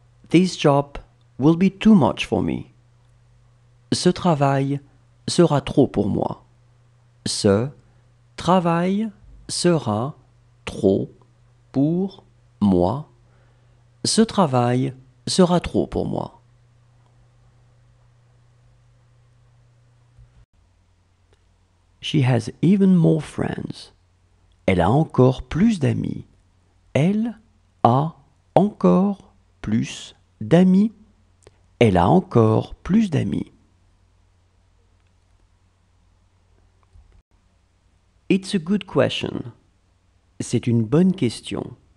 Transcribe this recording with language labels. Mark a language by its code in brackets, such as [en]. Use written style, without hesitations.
[en] This job will be too much for me. [fr] Ce travail sera trop pour moi. Ce travail sera trop pour moi. Ce travail sera trop pour moi. [en] She has even more friends. [fr] Elle a encore plus d'amis. Elle a encore plus d'amis. Elle a encore plus d'amis. [en] It's a good question. [fr] C'est une bonne question.